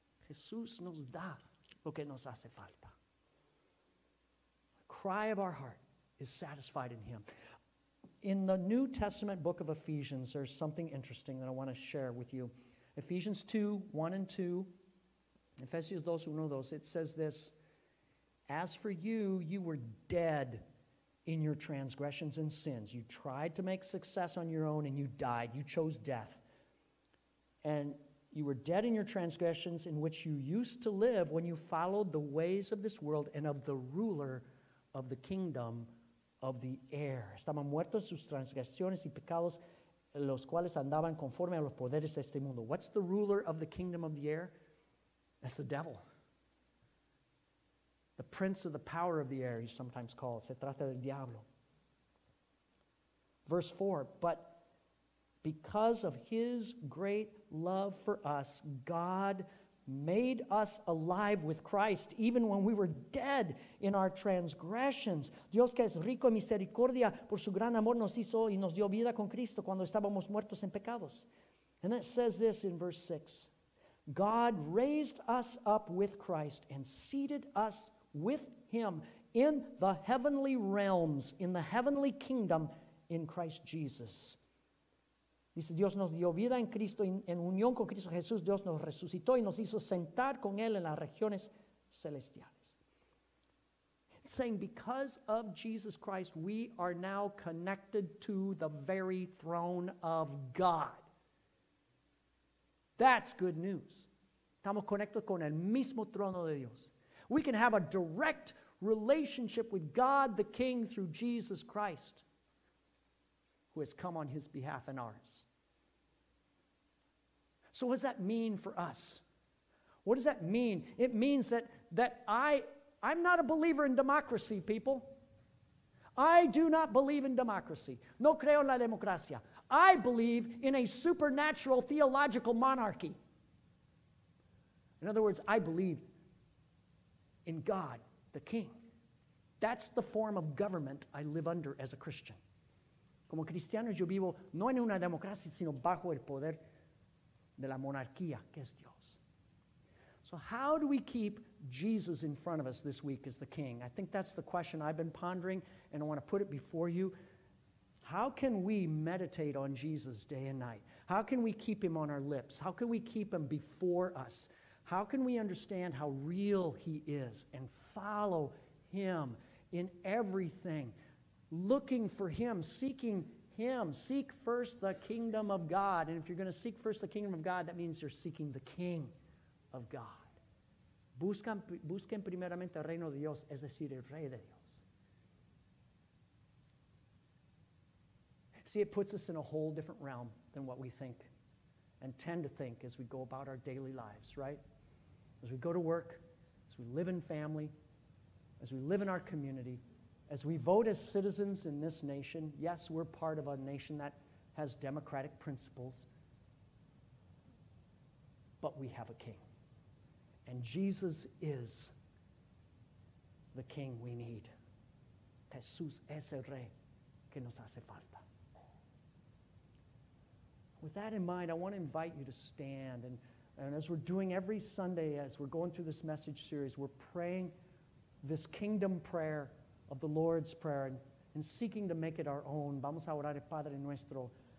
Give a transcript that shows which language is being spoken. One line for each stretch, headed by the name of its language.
Spanish: Jesús nos da lo que nos hace falta.
English: Cry of our heart is satisfied in him. In the New Testament book of Ephesians, there's something interesting that I want to share with you. Ephesians 2, 1 and 2. Ephesians 2, 1 and 2. It says this: as for you, you were dead in your transgressions and sins. You tried to make success on your own and you died. You chose death. And you were dead in your transgressions in which you used to live when you followed the ways of this world and of the ruler of the kingdom of the air.
Spanish: Estaban muertos sus transgresiones y pecados, los cuales andaban conforme a los poderes de este mundo.
English: What's the ruler of the kingdom of the air? That's the devil. The prince of the power of the air, he's sometimes called.
Spanish: Se trata del diablo.
English: Verse 4, but because of his great love for us, God made us alive with Christ, even when we were dead in our transgressions.
Spanish: Dios, que es rico en misericordia, por su gran amor nos hizo y nos dio vida con Cristo cuando estábamos muertos en pecados.
English: And it says this in verse 6. God raised us up with Christ and seated us with him in the heavenly realms, in the heavenly kingdom, in Christ Jesus.
Spanish: Dice, Dios nos dio vida en Cristo, en unión con Cristo Jesús, Dios nos resucitó y nos hizo sentar con Él en las regiones celestiales.
English: Saying, because of Jesus Christ, we are now connected to the very throne of God. That's good news.
Spanish: Estamos conectados con el mismo trono de Dios.
English: We can have a direct relationship with God the King through Jesus Christ, who has come on his behalf and ours. So what does that mean for us? What does that mean? It means that I'm not a believer in democracy, people. I do not believe in democracy.
Spanish: No creo en la democracia.
English: I believe in a supernatural theological monarchy. In other words, I believe in God, the King. That's the form of government I live under as a Christian.
Spanish: Como cristianos, yo vivo no en una democracia, sino bajo el poder de la monarquía, que es Dios.
English: So how do we keep Jesus in front of us this week as the King? I think that's the question I've been pondering, and I want to put it before you. How can we meditate on Jesus day and night? How can we keep him on our lips? How can we keep him before us? How can we understand how real he is and follow him in everything? Looking for him, seeking him. Seek first the kingdom of God. And if you're going to seek first the kingdom of God, that means you're seeking the King of God.
Spanish: Busquen primeramente el reino de Dios, es decir, el rey de Dios.
English: See, it puts us in a whole different realm than what we think and tend to think as we go about our daily lives, right? As we go to work, as we live in family, as we live in our community, as we vote as citizens in this nation, yes, we're part of a nation that has democratic principles, but we have a king. And Jesus is the king we need.
Spanish: Jesús es el rey que nos hace falta.
English: With that in mind, I want to invite you to stand. And as we're doing every Sunday, as we're going through this message series, we're praying this kingdom prayer of the Lord's Prayer, and seeking to make it our own.
Spanish: Vamos a orar el Padre Nuestro.